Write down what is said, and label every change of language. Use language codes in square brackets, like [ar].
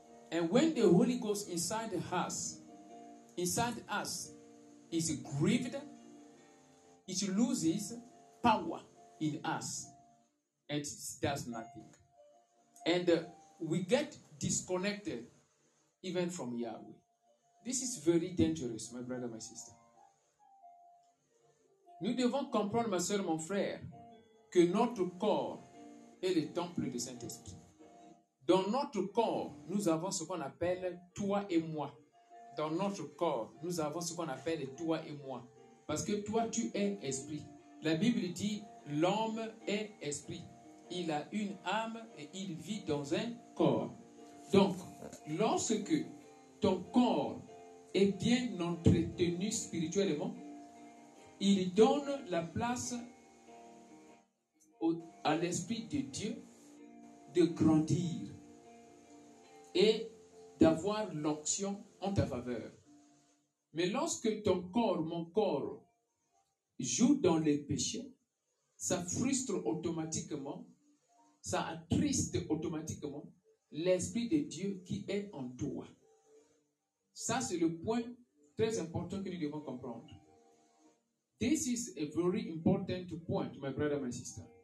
[en] And when the Holy Ghost inside us, is grieved, it loses power in us and it does nothing. And we get disconnected even from Yahweh. This is very dangerous, my brother, my sister. [fr] Nous devons comprendre, ma soeur, mon frère, que notre corps est le temple du Saint-Esprit. Dans notre corps, nous avons ce qu'on appelle toi et moi. Dans notre corps, nous avons ce qu'on appelle toi et moi. Parce que toi, tu es esprit. La Bible dit, l'homme est esprit. Il a une âme et il vit dans un corps. Donc, lorsque ton corps est bien entretenu spirituellement, il donne la place à l'esprit de Dieu de grandir et d'avoir l'onction en ta faveur. Mais lorsque ton corps, mon corps, joue dans les péchés, ça frustre automatiquement, ça attriste automatiquement l'Esprit de Dieu qui est en toi. Ça, c'est le point très important que nous devons comprendre. [en] This is a very important point, my brother, my sister.